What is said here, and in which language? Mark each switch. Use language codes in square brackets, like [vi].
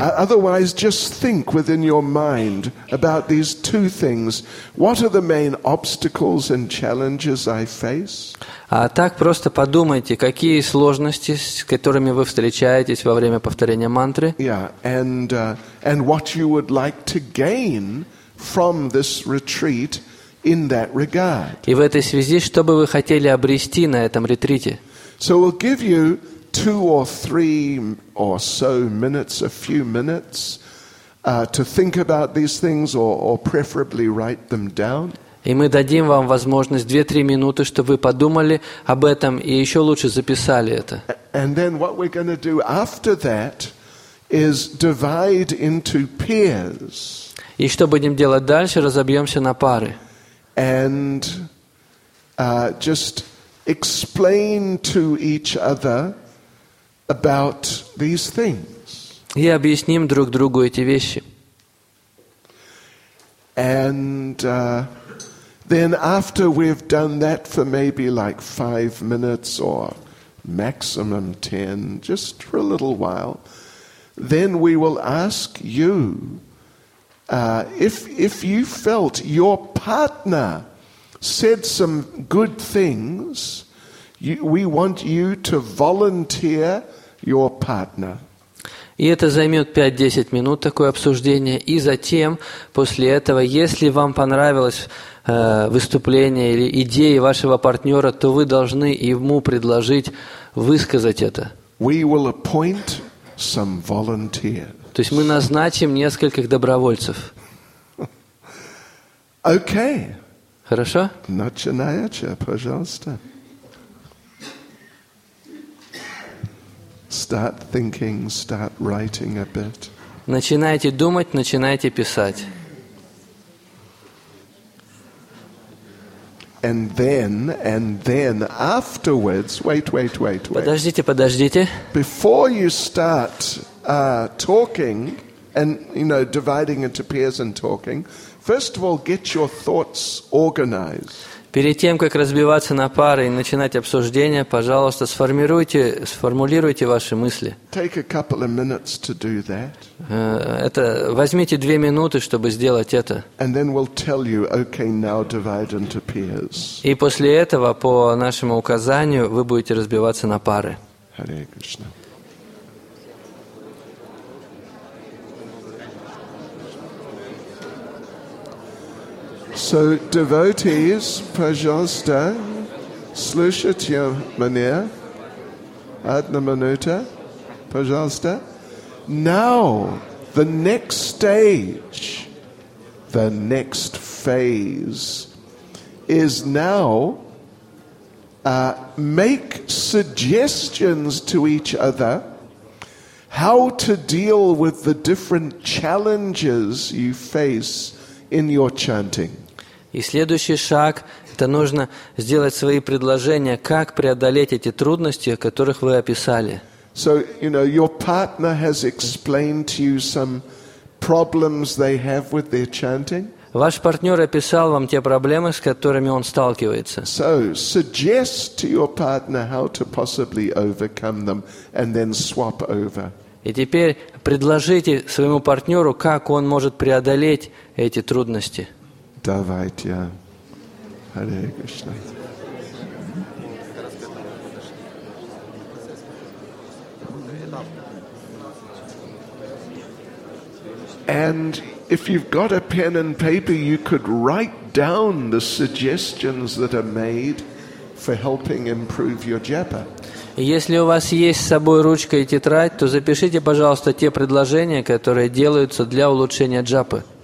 [en] Otherwise, just think within your mind about these two things. What are the main obstacles and challenges I face? [ru] А так просто подумайте, какие сложности, с которыми вы встречаетесь во время повторения мантры. [en] Yeah, and what you would like to gain from this retreat in that regard. [ru] И в этой связи, что бы вы хотели обрести на этом ретрите? [en] So we'll give you two or three or so minutes, a few minutes, to think about these things or preferably write them down. [ru] И мы дадим вам возможность 2-3 минуты, чтобы вы подумали об этом и еще лучше записали это. [en] And then what we're going to do after that is divide into pairs. [ru] И что будем делать дальше? Разобьемся на пары. [en] And just explain to each other about these things. [ru] И объясним друг другу эти вещи. [en] And then after we've done that for maybe like 5 minutes or maximum 10, just for a little while, then we will ask you if you felt your partner said some good things, we want you to volunteer your partner. [ru] И это займет 5-10 минут, такое обсуждение. И затем, после этого, если вам понравилось выступление или идеи вашего партнера, то вы должны ему предложить высказать это. [en] We will appoint some volunteers. [ru] То есть мы назначим нескольких добровольцев. [en] Okay. [ru] Хорошо? Начинайте, пожалуйста. [en] Start thinking, start writing a bit. [ru] Начинайте думать, начинайте писать. [en] And then afterwards, wait. [ru] Подождите. [en] Before you start talking and, you know, dividing into pairs and talking, first of all, get your thoughts organized. [ru] Перед тем, как разбиваться на пары и начинать обсуждение, пожалуйста, сформулируйте ваши мысли. [en] Take a couple of minutes to do that. [ru] Возьмите 2 минуты, чтобы сделать это. [en] And then we'll tell you, okay, now divide into pairs. [ru] И после этого, по нашему указанию, вы будете разбиваться на пары. Харе Кришна. [en] So, devotees, [ru] пожалуйста, слушайте меня, одна минута, пожалуйста. [en] Now, the next stage, the next phase, is now make suggestions to each other how to deal with the different challenges you face in your chanting. [ru] И следующий шаг – это нужно сделать свои предложения, как преодолеть эти трудности, о которых вы описали. [en] So, you know, your partner has explained to you some problems they have with their chanting. [ru] Ваш партнер описал вам те проблемы, с которыми он сталкивается. [en] So, suggest to your partner how to possibly overcome them and then swap over. [ru] И теперь предложите своему партнеру, как он может преодолеть эти трудности. Давайте. Харе Кришна. [en] And if you've got a pen and paper, you could write down the suggestions that are made for helping improve your japa. [ru] Если у вас есть с собой ручка и тетрадь, то запишите, пожалуйста, те предложения, которые делаются для улучшения джапы.